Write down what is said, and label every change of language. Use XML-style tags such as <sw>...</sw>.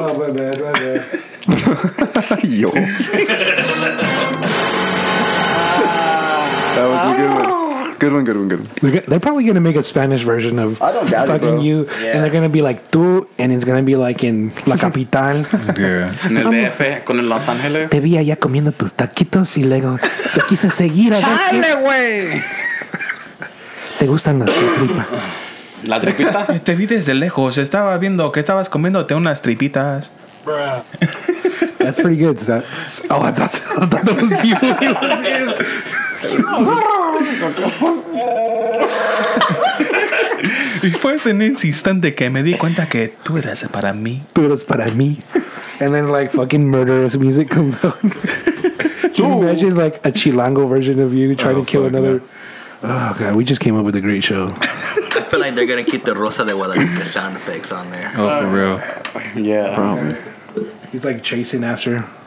<en>My bad. Yo. That was a good one. Good one. They're probably gonna make a Spanish version of fucking it, you, and they're gonna be like tú, and it's gonna be like in La Capital. Yeah.</en> <es>En el DF, con el Los Ángeles. Te vi allá comiendo tus taquitos y luego te quise seguir. ¡Chale, güey! ¿Te gustan las tripas? ¿La tripita? Te vi desde lejos. Estaba viendo que estabas comiéndote unas tripitas.</es> <en>Bruh. That's pretty good. I thought that was you.</en> <es>Y fue en ese instante que me di cuenta que tú eras para mí. Tú eras para mí.</es> <en>and then like fucking murderous music comes on. Can you imagine like a Chilango version of you trying to kill another? Yeah. Oh god, we just came up with a great show. I feel like they're gonna keep the Rosa de Guadalupe sound effects on there. Oh, for real? Yeah. Probably. He's like chasing after.</en>